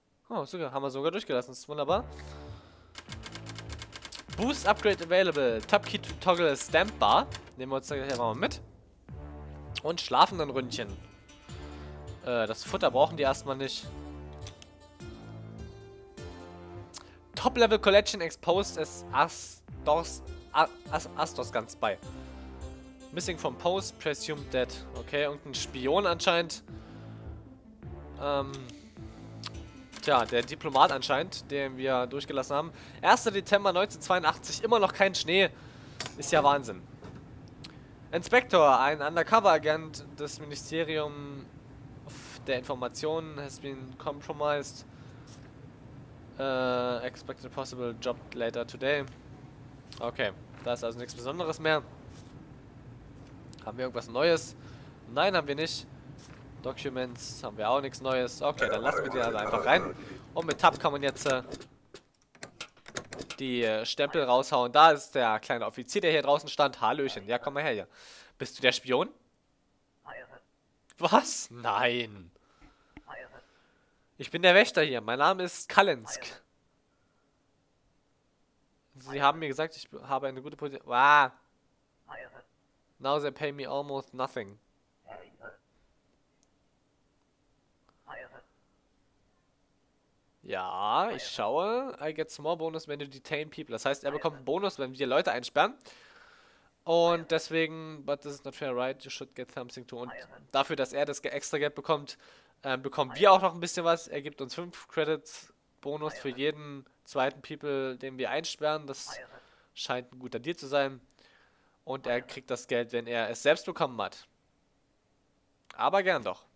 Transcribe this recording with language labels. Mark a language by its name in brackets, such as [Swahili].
[German] Oh, sogar, haben wir sogar durchgelassen. Das ist wunderbar. [English] Boost Upgrade available. Tab Key to toggle Stamp Bar. [German] Nehmen wir uns gleich mal mit. Und schlafenden Ründchen. Das Futter brauchen die erstmal nicht. [English] Top Level Collection exposed as Astors. [German] Astors ganz bei. [English] Missing from post, presumed dead. [German] Okay, irgendein Spion anscheinend. Tja, der Diplomat anscheinend, den wir durchgelassen haben. 1. Dezember 1982, immer noch kein Schnee. Ist ja Wahnsinn. Inspektor, ein Undercover-Agent des Ministeriums der Informationen [English] has been compromised. Expected possible job later today. [German] Okay, da ist also nichts Besonderes mehr. Haben wir irgendwas Neues? Nein, haben wir nicht. Documents haben wir auch nichts Neues. Okay, dann lassen wir die also einfach rein. Und mit Tab kann man jetzt die Stempel raushauen. Da ist der kleine Offizier, der hier draußen stand. Hallöchen, ja, komm mal her hier. Bist du der Spion? Was? Nein. Ich bin der Wächter hier. Mein Name ist Kalensk. Sie haben mir gesagt, ich habe eine gute Position. Wow. [English] Now they pay me almost nothing. [German] Ja, ich schaue. [English] I get small bonus when you detain people. [German] Das heißt, er bekommt einen Bonus, wenn wir Leute einsperren. Und deswegen, [English] but this is not fair, right? You should get something too. [German] Und dafür, dass er das extra Geld bekommt, bekommen wir auch noch ein bisschen was. Er gibt uns 5 Credits Bonus für jeden zweiten People, den wir einsperren. Das scheint ein guter Deal zu sein. Und er kriegt das Geld, wenn er es selbst bekommen hat. Aber gern doch.